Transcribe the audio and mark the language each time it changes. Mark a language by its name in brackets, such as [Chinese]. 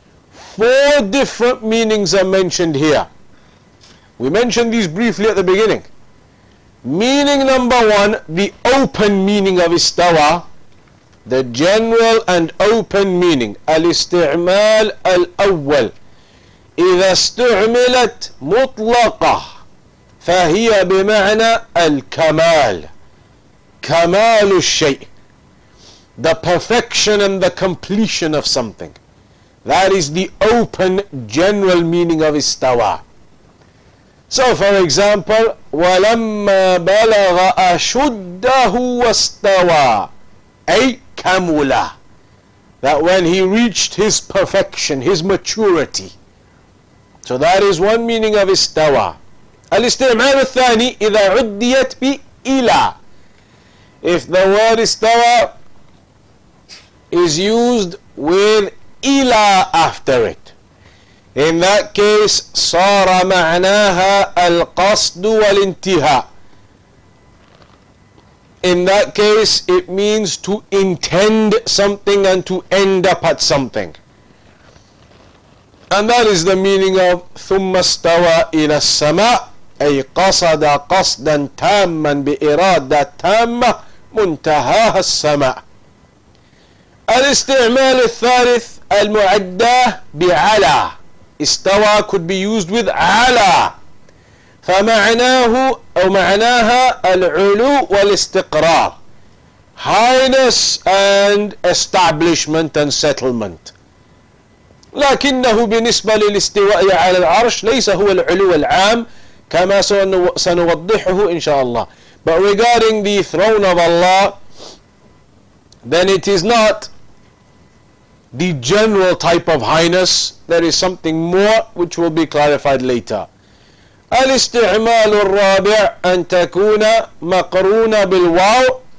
[English] Four different meanings are mentioned here. We mentioned these briefly at the beginning. Meaning number one, the open meaning of istawa, the general and open meaning, al-istimal al-awwal. [Arabic] إذا استعملت مطلقة فهي بمعنى الكمال, كمال الشيء, [English] the perfection and the completion of something. That is the open general meaning of istawa. So, for example, [Arabic] وَلَمَّا بَلَغَ أَشُدَّهُ وَاسْتَوَى أي كَمُلَى. [English] That when he reached his perfection, his maturity. So that is one meaning of istawa. [Arabic] الاستعمال الثاني إذا عُدِّيَتْ بِإِلَى. [English] If the word istawa is used with إِلَى after it, in that case, [Arabic] صار معناها القصد والانتهاء. [English] In that case, it means to intend something and to end up at something. And that is the meaning of [Arabic] ثم استوى إلى السماء, أي قصد قصدا تاما بإرادة تامة منتهاها السماء. الاستعمال الثالث المعدة بعلى. [English] استوى could be used with على, [Arabic] فمعناه أو معناها العلو والاستقرار, [English] highness and establishment and settlement. [Arabic] لكنه بالنسبة للاستواء على العرش ليس هو العلو العام كما سنوضحه إن شاء الله. [English] But regarding the throne of Allah, then it is not the general type of highness. There is something more which will be clarified later. [Arabic] الاستعمال الرابع أن تكون مقرونة بالواو.